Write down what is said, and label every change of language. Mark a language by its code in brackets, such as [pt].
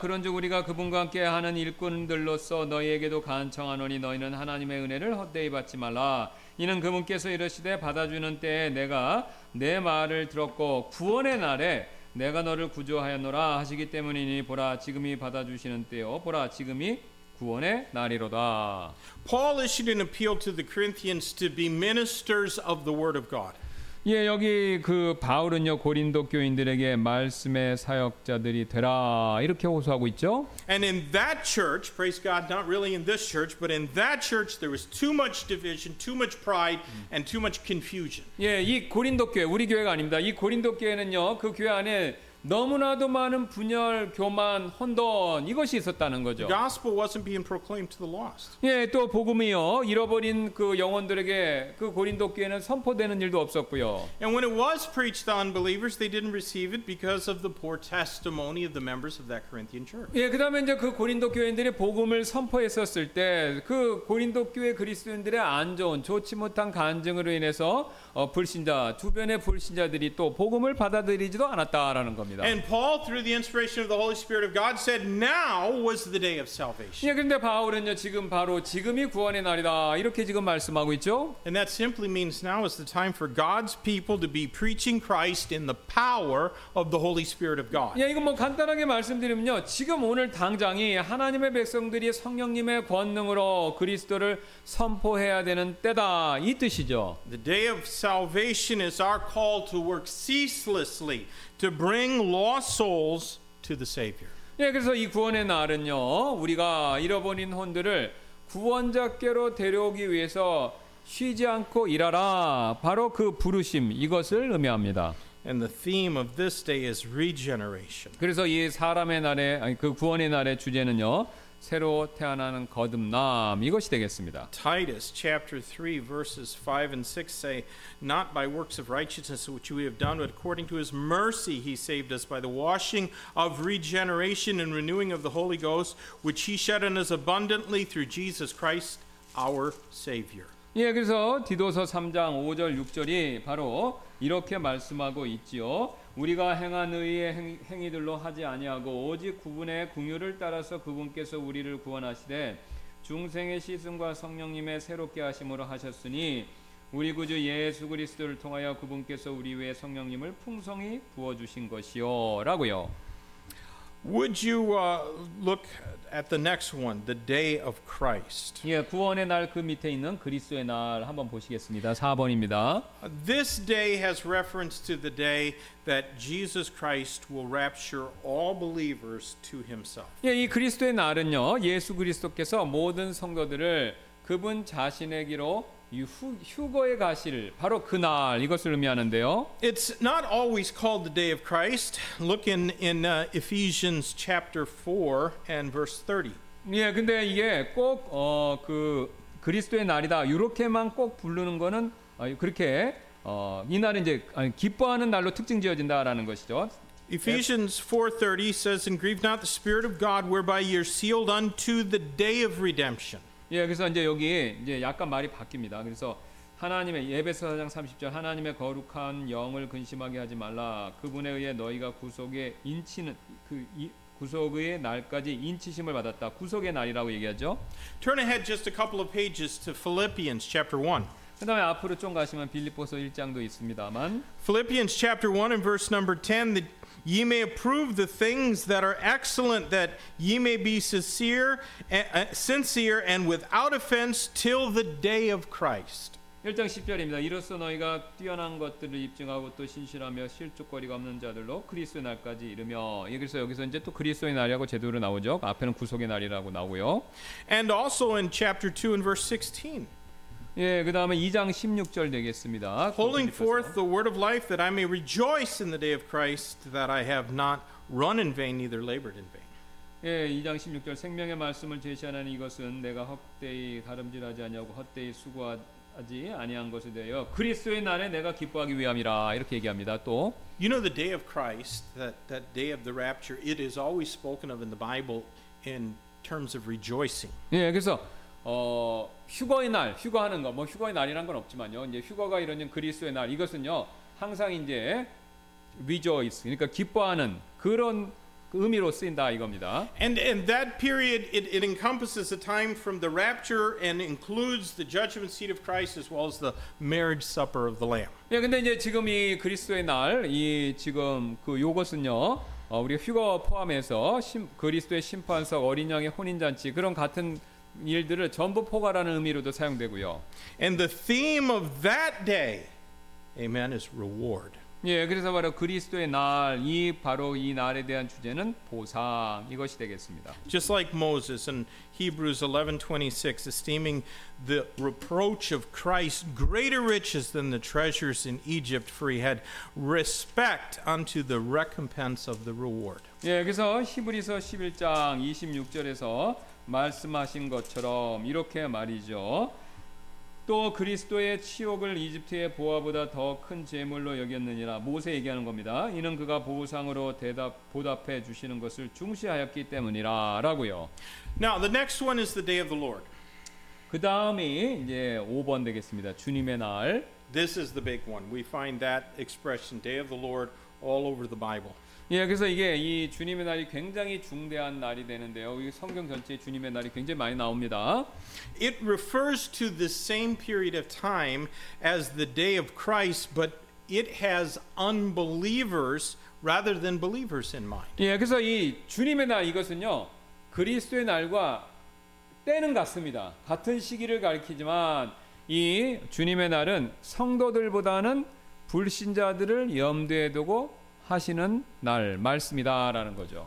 [ko] 그런즉 우리가 그분과 함께 하는 일꾼들로서 너희에게도 간청하노니 너희는 하나님의 은혜를 헛되이 받지 말라. 이는 그분께서 이르시되 받아주는 때에 내가 내 말을 들었고 구원의 날에 내가 너를 구조하였노라 하시기 때문이니 보라 지금이 받아주시는 때요 보라 지금이 구원의 날이로다. [en] Paul issued an appeal to the Corinthians to be ministers of the word of God. [ko] 예, 여기 그 바울은요 고린도 교인들에게 말씀의 사역자들이 되라 이렇게 호소하고 있죠. [en] And in that church, praise God, not really in this church, but in that church, there was too much division, too much pride, and too much confusion. [ko] 예, 이 고린도 교회 우리 교회가 아닙니다. 이 고린도 교회는요 그 교회 안에 너무나도 많은 분열, 교만, 혼돈 이것이 있었다는 거죠. [en] The gospel wasn't being proclaimed to the lost. [ko] 예, 또 복음이요 잃어버린 그 영혼들에게 그 고린도 교회는 선포되는 일도 없었고요. [en] And when it was preached to unbelievers, they didn't receive it because of the poor testimony of the members of that Corinthian church. [ko] 예, 그다음에 이제 그 고린도 교인들이 복음을 선포했었을 때 그 고린도 교회 그리스도인들의 안 좋은 좋지 못한 간증으로 인해서 불신자 주변의 불신자들이 또 복음을 받아들이지도 않았다라는 거. [en] And Paul, through the inspiration of the Holy Spirit of God, said, "Now was the day of salvation." [ko] 예, 근데 바울은요 지금 바로 지금이 구원의 날이다 이렇게 지금 말씀하고 있죠. [en] And that simply means now is the time for God's people to be preaching Christ in the power of the Holy Spirit of God. [ko] 예, 이거 뭐 간단하게 말씀드리면요, 지금 오늘 당장이 하나님의 백성들이 성령님의 권능으로 그리스도를 선포해야 되는 때다 이 뜻이죠. [en] The day of salvation is our call to work ceaselessly. To bring lost souls to the Savior. [ko] 예, 그래서 이 구원의 날은요, 우리가 잃어버린 혼들을 구원자께로 데려오기 위해서 쉬지 않고 일하라. 바로 그 부르심 이것을 의미합니다. [en] And the theme of this day is regeneration. [ko] 그래서 이 사람의 날에 아니 그 구원의 날의 주제는요, 새로 태어나는 거듭남 이것이 되겠습니다. [en] Titus chapter 3 verses 5 and 6 say not by works of righteousness which we have done but according to his mercy he saved us by the washing of regeneration and renewing of the Holy Ghost which he shed on us abundantly through Jesus Christ our Savior. [ko] 예, 그래서 디도서 3장 5절 6절이 바로 이렇게 말씀하고 있지요. 우리가 행한 의의 행위들로 하지 아니하고 오직 그분의 긍휼을 따라서 그분께서 우리를 구원하시되 중생의 씻음과 성령님의 새롭게 하심으로 하셨으니 우리 구주 예수 그리스도를 통하여 그분께서 우리 위에 성령님을 풍성히 부어주신 것이요 라고요. [en] Would you look at the next one, the day of Christ? [ko] 예, 구원의 날 그 밑에 있는 그리스도의 날 한번 보시겠습니다. 4번입니다. [en] This day has reference to the day that Jesus Christ will rapture all believers to himself. [ko] 예, 이 그리스도의 날은요. 예수 그리스도께서 모든 성도들을 그분 자신에게로 휴거의 가실 바로 그날 이것을 의미하는데요. [en] It's not always called the day of Christ. Look in Ephesians chapter 4 and verse 30. [ko] 예, 근데 이게 꼭 그 그리스도의 날이다 이렇게만 꼭 부르는 거는 그렇게 이날은 이제 아니, 기뻐하는 날로 특징지어진다라는 것이죠. [en] Ephesians 4:30 says, "And grieve not the Spirit of God, whereby you're sealed unto the day of redemption." [ko] 예, 그래서 이제 여기 이제 약간 말이 바뀝니다. 그래서 하나님의 에베소서 4장 30절 하나님의 거룩한 영을 근심하게 하지 말라 그분에 의해 너희가 구속의 인치는 그 구속의 날까지 인치심을 받았다. 구속의 날이라고 얘기하죠. [en] Turn ahead just a couple of pages to Philippians chapter 1. [ko] 그다음에 앞으로 좀 가시면 빌립보서 1장도 있습니다만 [en] Philippians chapter 1 and verse number 10 that ye may approve the things that are excellent that ye may be sincere and without offense till the day of Christ. [ko] 1장 10절입니다. 이로써 너희가 뛰어난 것들을 입증하고 또 신실하며 실족거리가 없는 자들로 그리스도의 날까지 이르며 그래서 여기서 이제 또 그리스도의 날이라고 제도로 나오죠. 앞에는 구속의 날이라고 나오고요. [en] And also in chapter 2 and verse 16. [ko] 예, 그다음에 2장 16절 되겠습니다. [en] Holding forth the word of life that I may rejoice in the day of Christ that I have not run in vain neither labored in vain. [ko] 예, 2장 16절 생명의 말씀을 제시하는 이것은 내가 헛되이 다름질하지 아니하고 헛되이 수고하지 아니한 것이 되어 그리스도의 날에 내가 기뻐하기 위함이라 이렇게 얘기합니다. 또 [en] You know the day of Christ that day of the rapture it is always spoken of in the Bible in terms of rejoicing. [ko] 예, 그래서 휴거의 날, 휴거하는 거, 뭐 휴거의 날이란 건 없지만요. 이제 휴거가 이런 그리스도의 날, 이것은요 항상 이제 rejoice, 그러니까 기뻐하는 그런 의미로 쓰인다 이겁니다. [en] And that period it encompasses the time from the rapture and includes the judgment seat of Christ as well as the marriage supper of the Lamb. [ko] 예, 근데 이제 지금 이 그리스도의 날, 이 지금 그 요것은요. 우리 휴거 포함해서 그리스도의 심판석, 어린 양의 혼인 잔치 그런 같은 일들을 전부 포괄하는 의미로도 사용되고요. [en] And the theme of that day, amen, is reward. [ko] 예, 그래서 바로 그리스도의 날, 이 바로 이 날에 대한 주제는 보상, 이것이 되겠습니다. Just like Moses in Hebrews 11:26, esteeming the reproach of Christ greater riches than the treasures in Egypt, for he had respect unto the recompense of the reward. 예, 그래서 히브리서 11장 26절에서 말씀하신 것처럼 이렇게 말이죠. 또 그리스도의 치욕을 이집트의 보화보다 더 큰 재물로 여겼느니라. 모세 얘기하는 겁니다. 이는 그가 보상으로 보답해 주시는 것을 중시하였기 때문이라 라고요. [en] Now the next one is the day of the Lord. [ko] 그 다음이 이제 5번 되겠습니다. 주님의 날. [en] This is the big one. We find that expression, day of the Lord, all over the Bible. [ko] 예, 그래서 이게 이 주님의 날이 굉장히 중대한 날이 되는데요. 이 성경 전체에 주님의 날이 굉장히 많이 나옵니다. [en] It refers to the same period of time as the day of Christ, but it has unbelievers rather than believers in mind. [ko] 예, 그래서 이 주님의 날 이것은요. 그리스도의 날과 때는 같습니다. 같은 시기를 가리키지만 이 주님의 날은 성도들보다는 불신자들을 염두에 두고 하시는 날 말씀이다라는 거죠.